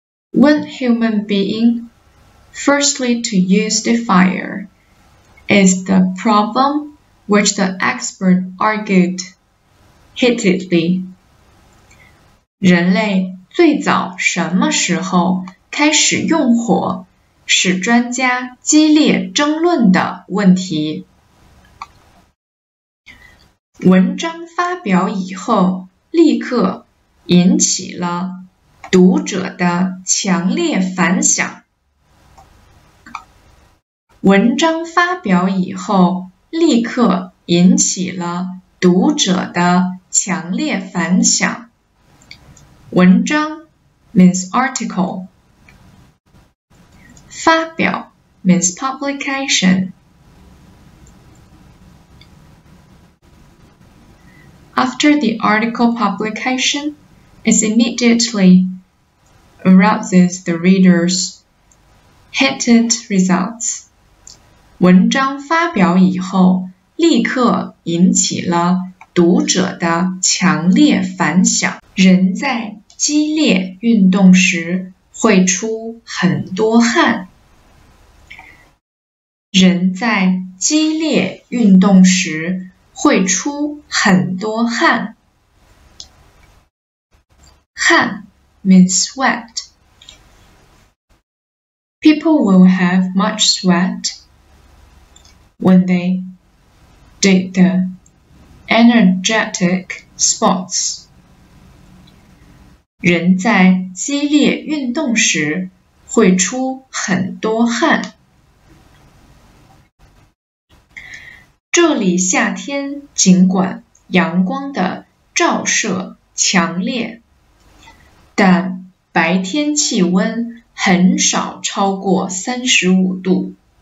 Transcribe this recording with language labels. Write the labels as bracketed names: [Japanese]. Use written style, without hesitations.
[English] When human being firstly to use the fire is the problem which the expert argued heatedly. [Chinese] 人类最早什么时候开始用火使专家激烈争论的问题。文章发表以后，立刻引起了读者的强烈反响。文章发表以后，立刻引起了读者的强烈反响。 [English] 文章 means article. 发表 means publication. After the article publication, it immediately arouses the reader's heated results. [Chinese] 文章发表以后，立刻引起了读者的强烈反响。人在激烈运动时会出很多汗。人在激烈运动时会出很多汗。 [English] 汗 means sweat. People will have much sweat when they did the energetic sports. [Chinese] 人在激烈运动时会出很多汗。这里夏天尽管阳光的照射强烈，但白天气温很少超过35度。